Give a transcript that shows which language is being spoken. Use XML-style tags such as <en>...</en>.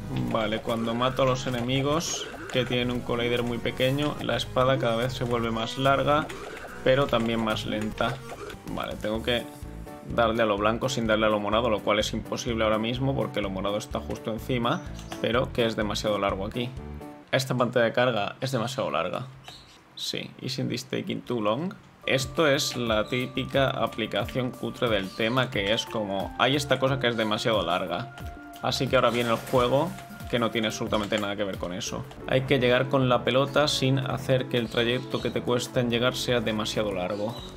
<es>Vale, cuando mato a los enemigos que tienen un collider muy pequeño, la espada cada vez se vuelve más larga, pero también más lenta. Vale, tengo que darle a lo blanco sin darle a lo morado, lo cual es imposible ahora mismo porque lo morado está justo encima, pero que es demasiado largo aquí. Esta pantalla de carga es demasiado larga.</es> <en>Sí, isn't this taking too long?</en> <es>Esto es la típica aplicación cutre del tema, que es como, hay esta cosa que es demasiado larga. Así que ahora viene el juego, que no tiene absolutamente nada que ver con eso. Hay que llegar con la pelota sin hacer que el trayecto que te cuesta en llegar sea demasiado largo.</es>